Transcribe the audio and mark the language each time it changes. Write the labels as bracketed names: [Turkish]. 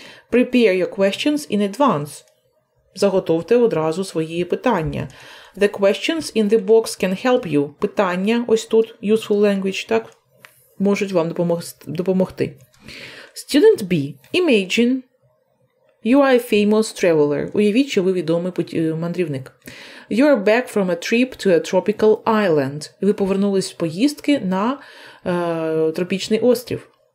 [English] Prepare your questions in advance. [Ukrainian] Заготовте одразу свої питання. [English] The questions in the box can help you. [Ukrainian] Питання, ось тут, [English] useful language, [Ukrainian] так? Можуть вам допомогти. Student B. [English] Imagine you are a famous traveler. [Ukrainian] Уявіть, що ви відомий мандрівник. [English] You are back from a trip to a tropical island. [Ukrainian] Ви повернулись з поїздки на тропічний острів.